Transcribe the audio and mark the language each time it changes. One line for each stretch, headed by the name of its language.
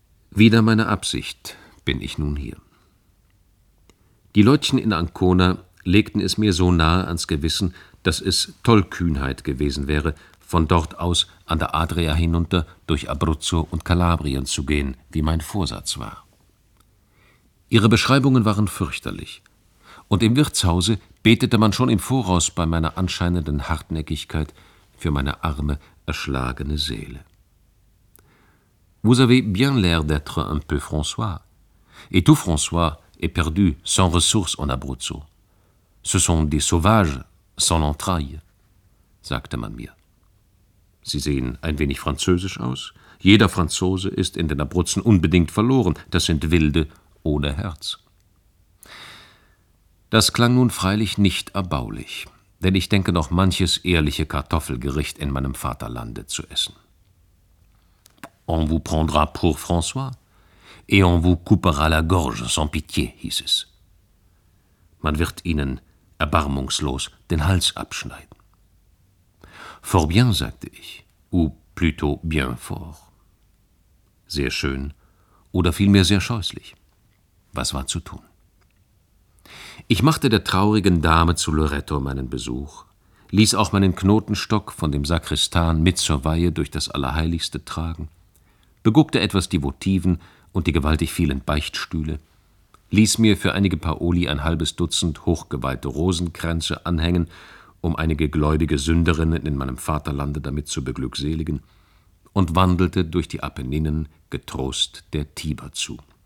German: Wieder meine Absicht bin ich nun hier. Die Leutchen in Ancona legten es mir so nahe ans Gewissen, dass es Tollkühnheit gewesen wäre, von dort aus an der Adria hinunter durch Abruzzo und Kalabrien zu gehen, wie mein Vorsatz war. Ihre Beschreibungen waren fürchterlich, und im Wirtshause betete man schon im Voraus bei meiner anscheinenden Hartnäckigkeit für meine arme, erschlagene Seele.
French: Vous avez bien l'air d'être un peu François. Et tout François est perdu sans ressources en Abruzzo. Ce sont des sauvages, sans entrailles,
German: sagte man mir. Sie sehen ein wenig französisch aus. Jeder Franzose ist in den Abruzzen unbedingt verloren. Das sind Wilde ohne Herz. Das klang nun freilich nicht erbaulich, denn ich denke noch manches ehrliche Kartoffelgericht in meinem Vaterlande zu essen.
French: On vous prendra pour François et on vous coupera la gorge sans pitié,
German: hieß es. Man wird ihnen erbarmungslos den Hals abschneiden.
French: Fort bien,
German: sagte ich,
French: ou plutôt bien fort.
German: Sehr schön oder vielmehr sehr scheußlich. Was war zu tun? Ich machte der traurigen Dame zu Loretto meinen Besuch, ließ auch meinen Knotenstock von dem Sakristan mit zur Weihe durch das Allerheiligste tragen, beguckte etwas die Votiven und die gewaltig vielen Beichtstühle, ließ mir für einige Paoli ein 50 Dutzend hochgeweihte Rosenkränze anhängen, um einige gläubige Sünderinnen in meinem Vaterlande damit zu beglückseligen, und wandelte durch die Apenninen getrost der Tiber zu.